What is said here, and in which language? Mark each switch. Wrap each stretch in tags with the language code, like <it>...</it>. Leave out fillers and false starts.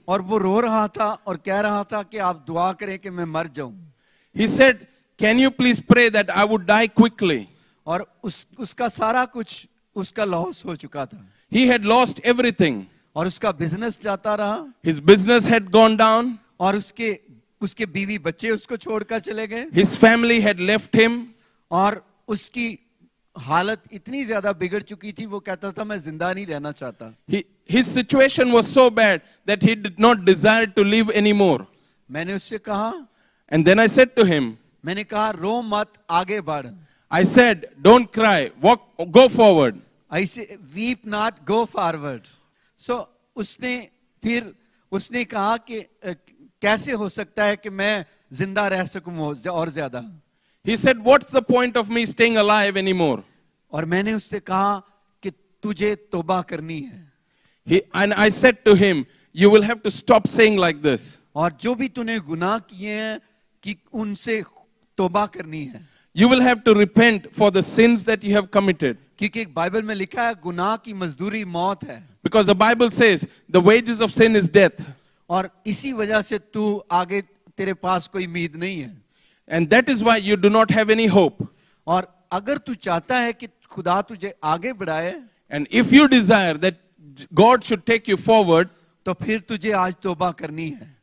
<hi>और वो रो रहा था और कह रहा था कि आप दुआ करें कि मैं मर जाऊं.</hi> <en>He said, "Can you please pray that I would die quickly?"</en> <hi>और उसका सारा कुछ उसका लॉस हो चुका था.</hi> <en>He had lost everything.</en> <hi>और उसका बिजनेस जाता रहा.</hi> <en>His business had gone down.</en> <hi>और उसके बीवी बच्चे उसको छोड़कर चले गए.</hi> <en>His family had left him.</en> <hi>और उसकी हालत इतनी ज्यादा बिगड़ चुकी थी, वो कहता था मैं जिंदा नहीं रहना चाहता.</hi> <en>His situation was so bad that he did not desire to live anymore.</en> <hi>मैंने उससे कहा.</hi> <en>And then I said to him.</en> <hi>मैंने कहा रो मत, आगे बढ़.</hi> <en>I said, "Don't cry. Walk, go forward." I say, "Weep not, go forward."</en> <hi>So उसने कहा कि कैसे हो सकता है कि मैं जिंदा रह सकूं और ज्यादा.</hi> <en>He said, "What's the point of me staying alive anymore?"</en> <hi>और मैंने उससे कहा कि तुझे तोबा करनी है.</hi> <en>And I said to him, "You will have to stop saying like this."</en> <hi>और जो भी तूने गुनाह किए हैं कि उनसे तोबा करनी है.</hi> <en>You will have to repent for the sins that you have committed.</en> <hi>क्योंकि बाइबल में लिखा है गुनाह की मजदूरी मौत है.</hi> <en>Because the Bible says the wages of sin is death.</en> <hi>और इसी वजह से तू आगे तेरे पास कोई उम्मीद नहीं है.</hi> <en>And that is why you do not have any hope.</en> <hi>और अगर तू चाहता है कि खुदा तुझे आगे बढ़ाए,</hi> <en>and if you desire that God should take you forward,</en> <hi>तो फिर तुझे आज तौबा करनी है.</hi>